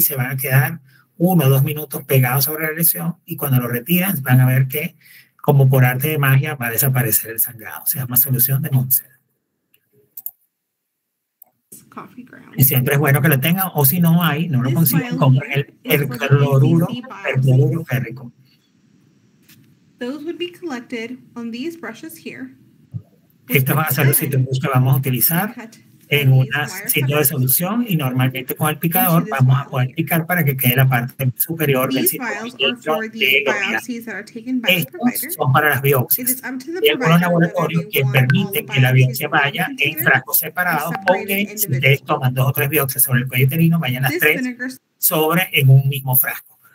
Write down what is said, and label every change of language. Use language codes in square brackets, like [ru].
[es] Se van a quedar 1 o 2 minutos pegados sobre la lesión y cuando lo retiran van a ver que, como por arte de magia, va a desaparecer el sangrado. Se llama solución de Monsell. Y siempre es bueno que lo tengan, o si no hay, no lo consiguen, compren el cloruro férrico. [en] Those would be collected on these brushes here. [es] Estos van a ser los sitios que vamos a utilizar en un sitio de solución y normalmente con el picador vamos a poder picar para que quede la parte superior del sitio de biopsia. Estos son para las biopsias. Y hay algunos laboratorios que permiten que la biopsia vaya en frascos separados o que si ustedes toman 2 o 3 biopsias sobre el cuello uterino, vayan las 3 sobre en un mismo frasco.